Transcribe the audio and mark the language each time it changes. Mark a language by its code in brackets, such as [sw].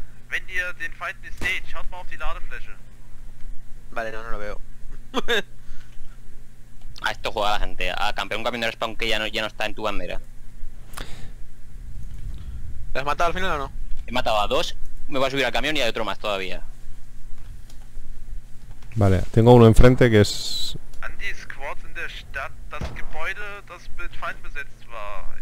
[de] Wenn ihr den Feind nicht seht, schaut mal auf die Ladefläche. [es] Vale, no, no lo veo. A esto juega la gente, a campeón camión de respawn que ya no está en tu bandera. ¿Le has matado al final o no? He matado a dos, me voy a subir al camión y hay otro más todavía. Vale, tengo uno enfrente que es... [de] An die Squads in der Stadt, das Gebäude, das mit Feind besetzt war.